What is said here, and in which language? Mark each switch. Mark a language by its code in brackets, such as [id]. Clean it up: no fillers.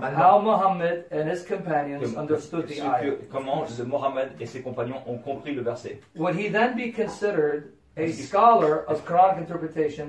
[en] how Muhammad and his companions understood the ayah? [fr] Comment Muhammad et ses compagnons ont compris le verset? [en] Would he then be considered a scholar of Quranic interpretation?